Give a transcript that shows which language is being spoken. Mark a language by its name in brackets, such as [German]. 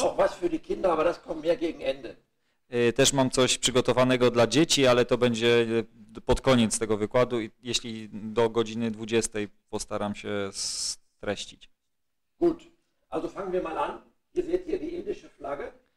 [German] Auch was für die Kinder, aber das kommt mehr gegen Ende. [Polish] Też mam coś przygotowanego dla dzieci, ale to będzie pod koniec tego wykładu, jeśli do godziny 20 postaram się streścić. [German] Gut, also fangen wir mal an. Ihr seht hier die indische Flagge.